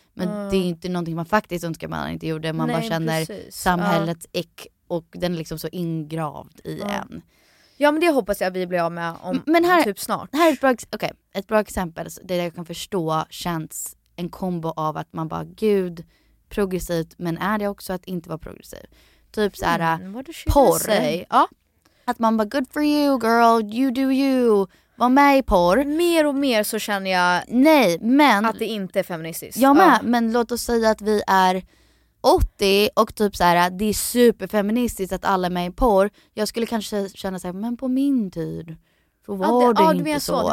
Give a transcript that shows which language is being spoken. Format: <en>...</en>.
<sv>Men det är inte någonting man faktiskt önskar man inte gjorde. Man bara känner samhällets ick och den är liksom så ingravd i en. Ja, men det hoppas jag vi blir av med typ snart. Här är ett bra exempel. Det jag kan förstå känns en kombo av att man bara, gud, progressivt. Men är det också att inte vara progressiv? Typ såhär, porr. Ja. Att man bara,</sv> <en>good for you girl, you do you.</en> <sv>Var med i porr. Mer och mer så känner jag nej, men att det inte är feministiskt. Jag med, men låt oss säga att vi är 80 och typ så här, det är superfeministiskt att alla är med i porr. Jag skulle kanske känna så här, men på min tid, så var det inte menar så.</sv>